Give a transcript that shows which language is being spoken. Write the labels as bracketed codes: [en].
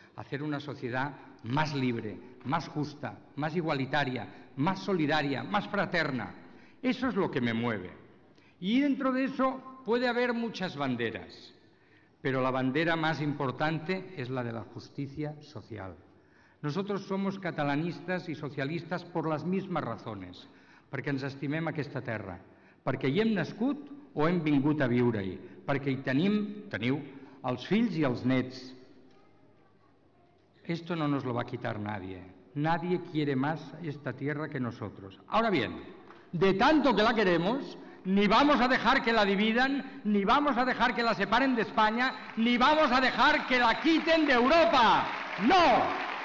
[es] Hacer una sociedad más libre, más justa, más igualitaria, más solidaria, más fraterna. Eso es lo que me mueve. Y dentro de eso puede haber muchas banderas, pero la bandera más importante es la de la justicia social. Nosotros somos catalanistas y socialistas por las mismas razones, [ca] perquè ens estimem aquesta terra, perquè hi hem nascut o hem vingut a viure-hi, perquè hi teniu els fills i els nets. [es] Esto no nos lo va a quitar nadie. Nadie quiere más esta tierra que nosotros. Ahora bien, de tanto que la queremos, ni vamos a dejar que la dividan, ni vamos a dejar que la separen de España, ni vamos a dejar que la quiten de Europa. ¡No!